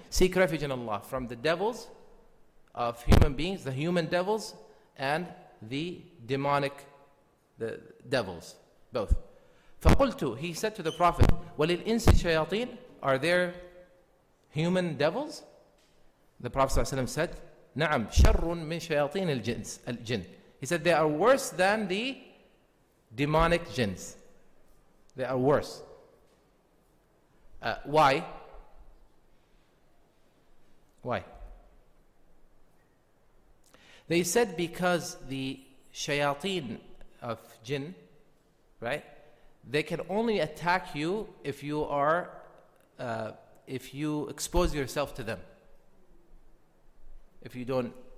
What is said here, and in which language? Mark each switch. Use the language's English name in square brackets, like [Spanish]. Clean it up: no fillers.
[English] Seek refuge in Allah from the devils of human beings, the human devils, and the demonic, the devils, both. [Arabic] فَقُلْتُ, [English] he said to the Prophet, [Arabic] وَلِلْإِنسِ شَيَاطِينَ, [English] are there human devils? The Prophet ﷺ said, [Arabic] نَعَمْ شَرٌ مِنْ شَيَاطِينَ الْجِنِ. [English] He said, they are worse than the demonic jinns. They are worse. Why? They said because the shayateen of jinn, right, they can only attack you if you are, if you expose yourself to them. If you don't